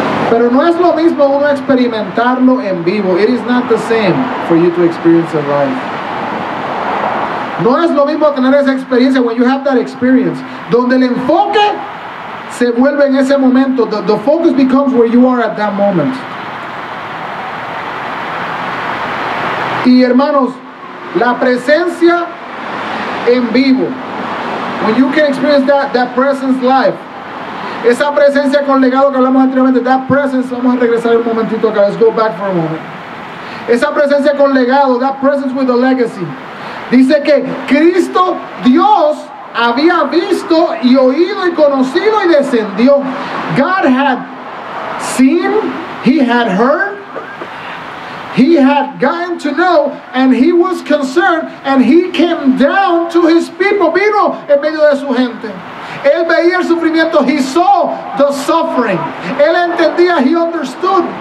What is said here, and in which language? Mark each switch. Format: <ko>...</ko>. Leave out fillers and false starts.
<es>Pero no es lo mismo uno experimentarlo en vivo.</es> <en>It is not the same for you to experience it live.</en> <es>No es lo mismo tener esa experiencia</es> <en>when you have that experience.</en> <es>Donde el enfoque se vuelve en ese momento.</es> <en>The focus becomes where you are at that moment.</en> <es>Y hermanos, la presencia en vivo.</es> <en>When you can experience that presence live.</en> <es>Esa presencia con legado que hablamos anteriormente,</es> <en>that presence,</en> <es>vamos a regresar un momentito acá,</es> <en>let's go back for a moment.</en> <es>Esa presencia con legado,</es> <en>that presence with the legacy.</en> <es>Dice que Cristo, Dios, había visto y oído y conocido y descendió.</es> <en>God had seen, he had heard, he had gotten to know, and he was concerned, and he came down to his people.</en> <es>Vino en medio de su gente. Él veía el sufrimiento.</es> <en>He saw the suffering.</en> <es>Él entendía.</es> <en>He understood.</en>